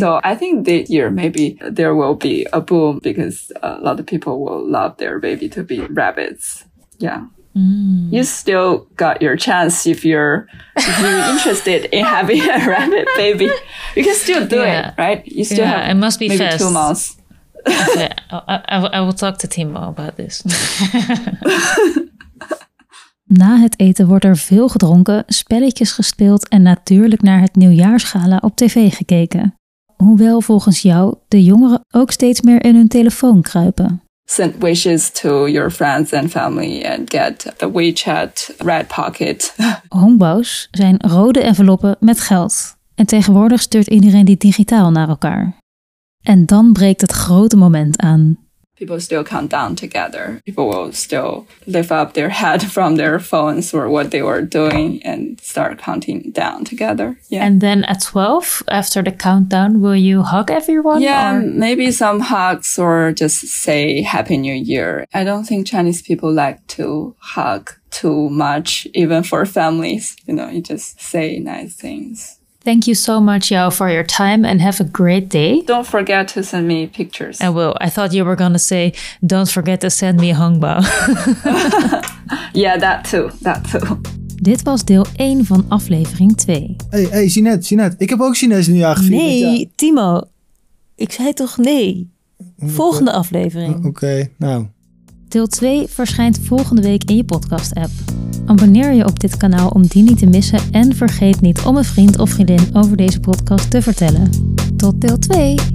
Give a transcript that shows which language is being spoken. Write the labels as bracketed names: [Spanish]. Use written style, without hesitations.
[English] So I think this year maybe there will be a boom, because a lot of people will love their baby to be rabbits. Yeah. You still got your chance if you're interested in having a rabbit baby. You can still do it, right? You still have it must be maybe fast. 2 months. Okay, I will talk to Timo about this. [Dutch] Na het eten wordt er veel gedronken, spelletjes gespeeld en natuurlijk naar het nieuwjaarsgala op tv gekeken. Hoewel volgens jou de jongeren ook steeds meer in hun telefoon kruipen. [English] Send wishes to your friends and family and get the WeChat red pocket. [Dutch] Hongbao's zijn rode enveloppen met geld. En tegenwoordig stuurt iedereen die digitaal naar elkaar. En dan breekt het grote moment aan. [English] People still count down together. People will still lift up their head from their phones or what they were doing and start counting down together. Yeah. And then at 12, after the countdown, will you hug everyone? Yeah, maybe some hugs or just say Happy New Year. I don't think Chinese people like to hug too much, even for families. You know, you just say nice things. Thank you so much, Yao, for your time, and have a great day. Don't forget to send me pictures. I will. I thought you were going to say, don't forget to send me Hongbao. Yeah, that too. [Dutch] Dit was deel 1 van aflevering 2. Hey, Sinet. Ik heb ook Chinees nieuwjaar gevierd. Nee, Timo. Ik zei toch nee. Volgende aflevering. Oké, nou. Deel 2 verschijnt volgende week in je podcast-app. Abonneer je op dit kanaal om die niet te missen en vergeet niet om een vriend of vriendin over deze podcast te vertellen. Tot deel 2!